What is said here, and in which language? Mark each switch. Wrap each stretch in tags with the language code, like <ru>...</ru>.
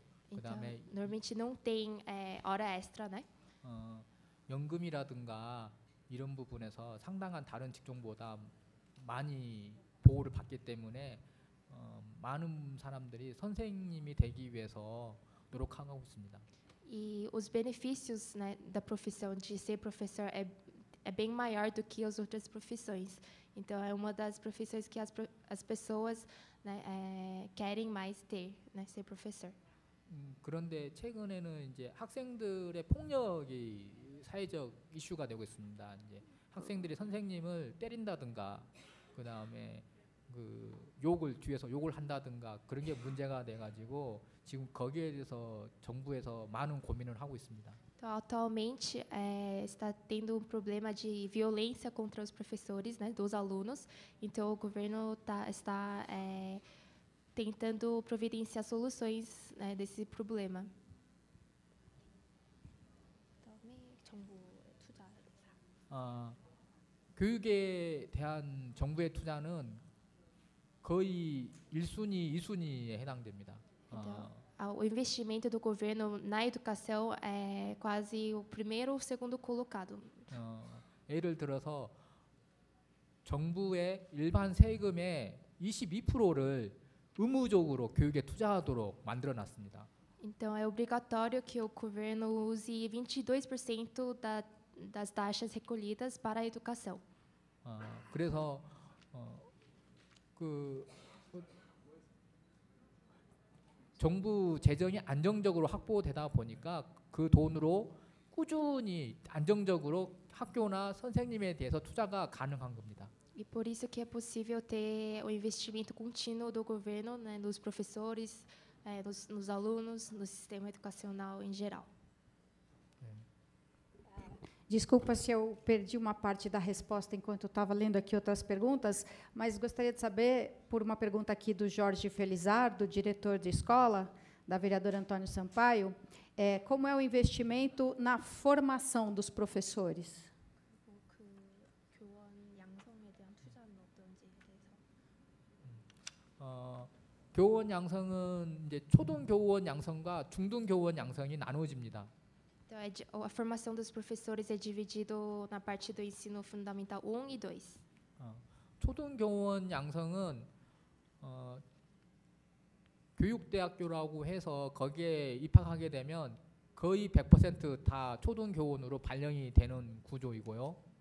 <pt>Normalmente não tem hora extra, né?</pt> <ko>연금이라든가 이런 부분에서 상당한 다른 직종보다 많이 보호를 받기 때문에 많은 사람들이 선생님이 되기 위해서 노력하고 있습니다.</ko> <pt>E os benefícios, né, da profissão de ser professor é bem maior do que as outras profissões. Então é uma das profissões que as pessoas, né, querem mais ter, né, ser professor.</pt> <ko>그런데 최근에는 이제 학생들의 폭력이 사회적 이슈가 되고 있습니다. 이제 학생들이 선생님을 때린다든가 그다음에 그 욕을 뒤에서 욕을 한다든가 그런 게 문제가 돼 가지고 지금 거기에 대해서 정부에서 많은 고민을 하고 있습니다.</ko> <pt>Atualmente está tendo um problema de violência contra os professores, né, dos alunos. Então o governo está tentando providenciar soluções, né, desse problema.</pt> <ko>교육에 대한 정부의 투자는 거의 1순위, 2순위에 해당됩니다.</ko> <pt>O investimento do governo na educação é quase o primeiro ou segundo colocado.</pt> <ko>예를 들어서 정부의 일반 세금의 22%를 의무적으로 교육에 투자하도록 만들어 놨습니다.</ko> <pt>Então é obrigatório que o governo use 22% das taxas recolhidas para a educação.</pt> <ko>그래서 정부 재정이 안정적으로 확보되다 보니까 그 돈으로 꾸준히 안정적으로 학교나 선생님에 대해서 투자가 가능한 겁니다.</ko> <pt>E por isso que é possível ter o investimento contínuo do governo, né, nos professores, nos alunos, no sistema educacional em geral. Desculpa se eu perdi uma parte da resposta enquanto estava lendo aqui outras perguntas, mas gostaria de saber, por uma pergunta aqui do Jorge Felizardo, diretor de escola, da vereadora Antônio Sampaio, como é o investimento na formação dos professores? Então, a formação dos professores é dividido na parte do ensino fundamental 1 e 2.</pt> <ko>초등교원 양성은 교육대학교라고 해서 거기에 입학하게 되면 거의 100% 다 초등교원으로 발령이 되는 구조이고요.</ko>